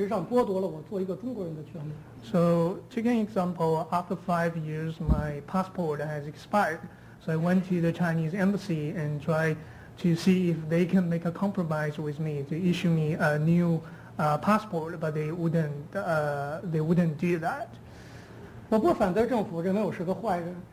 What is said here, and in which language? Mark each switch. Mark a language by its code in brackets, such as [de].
[zh] 希望他们给我延期，但是完全被拒绝，一直到现在不给我，这样等于事实上剥夺了我做一个中国人的权利。 [en] So, taking example, after 5 years, my passport has expired. So I went to the Chinese embassy and tried to see if they can make a compromise with me to issue me a new passport, but they wouldn't do that. [zh] 我不反对政府认为我是个坏人。